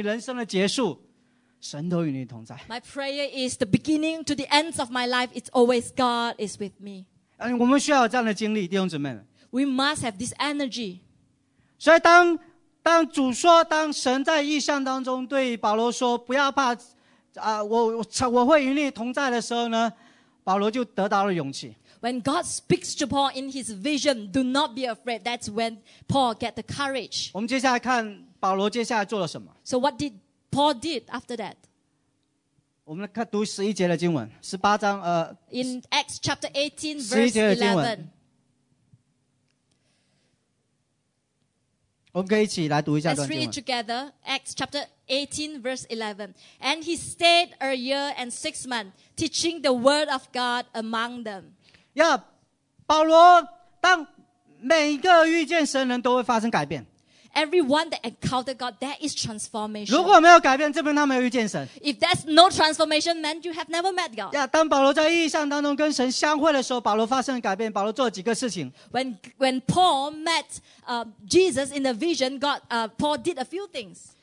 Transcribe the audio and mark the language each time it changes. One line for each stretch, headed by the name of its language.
Chinese: 我为你的祷告就是，你好像人生的起头，当你信主的那一刻，到你人生的结束，神都与你同在。
English: My prayer is the beginning to the ends of my life. It's always God is with me.
Chinese: 我们需要有这样的经历，弟兄姊妹们。
English: We must have this energy.
Chinese: 所以当主说，当神在异象当中对保罗说，不要怕。我会与你同在的时候呢，保罗就得到了勇气。
English: When God speaks to Paul in his vision, do not be afraid. That's when Paul get the courage.
Chinese: 我们接下来看保罗接下来做了什么。
English: So what did Paul did after that?
Chinese: 我们来看读十一节的经文， 18章，
English: In Acts chapter 18, verse 11.
Chinese: 我们可以一起来读一下段经文。
English: Let's read it together. Acts chapter 18, verse 11. And he stayed a year and 6 months, teaching the word of God among them.
Chinese: Yeah, 保罗，当每一个遇见神人都会发生改变。
English: Everyone that encountered God, there is transformation.
Chinese: 如果没有改变，证明他没有遇见神。
English: If there's no transformation, then you have never met God.
Chinese: Yeah, 当保罗在异象当中跟神相会的时候，保罗发生了改变。保罗做了几个事情。
English: When Paul met Jesus in the vision, Paul did a few things.